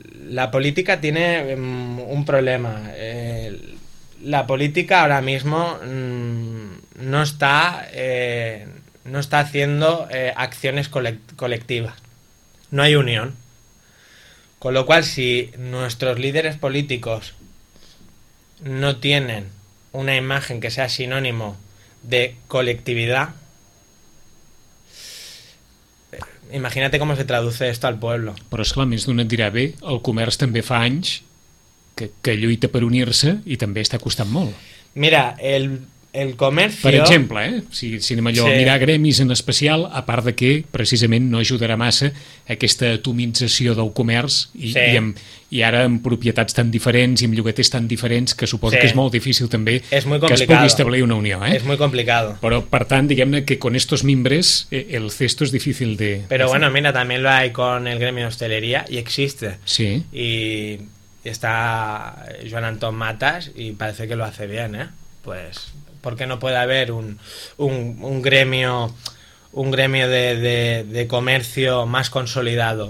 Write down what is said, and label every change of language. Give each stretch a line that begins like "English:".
Spanish: La política tiene un problema. La política ahora mismo no está haciendo acciones colectivas. No hay unión. Con lo cual, si nuestros líderes políticos no tienen una imagen que sea sinónimo de colectividad, imagínate cómo se traduce esto al pueblo.
Catalan: Però esclar, més d'un et dirà, bé, el comerç també fa anys que lluita per unir-se i també està costant molt.
Spanish: Mira, el comercio...
Catalan: Per exemple, si anem allò, sí, a mirar gremis en especial, a part de que precisament no ajudarà massa aquesta atomització del comerç i, sí, i ara amb propietats tan diferents i amb lloguers tan diferents que suposo, sí, que és molt difícil també
Spanish: es muy
Catalan: que es pugui establir una unió. És molt complicat. Però, per tant, diguem-ne que
Spanish: con estos mimbres el cesto
Catalan: és difícil de...
Spanish: Però, bueno, mira, també lo hay con el gremio de hostelería y existe. Sí. Y está Joan Anton Matas y parece que lo hace bien, Pues... Porque no puede haber un gremio de comercio más consolidado.